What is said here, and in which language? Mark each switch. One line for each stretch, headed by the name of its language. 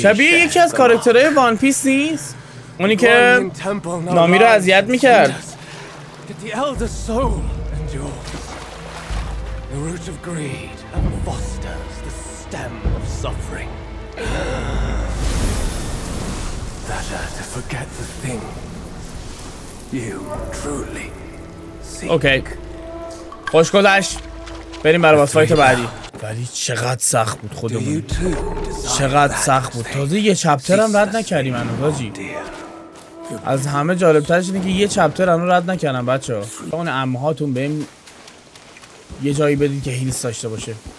Persian: شبیه یکی از کاراکترهای وان پیس نیست؟ اونی که نامی رو اذیت میکرد.
English: Did the elder soul endure? The root of greed ever fosters the stem of suffering. Better to forget the thing you truly seek.
Persian: Okay. خوش گذشت. بریم برای واسفایت بعدی. ولی چقدر سخت بود خودمون. چقدر سخت بود. تازه یه چپتر هم رد نکردی منو باجی. از همه جالبترش اینه که یه چپتر هم رد نکردم بچه ها. اون عمهاتون بهم یه جایی بدید که هیلز داشته باشه.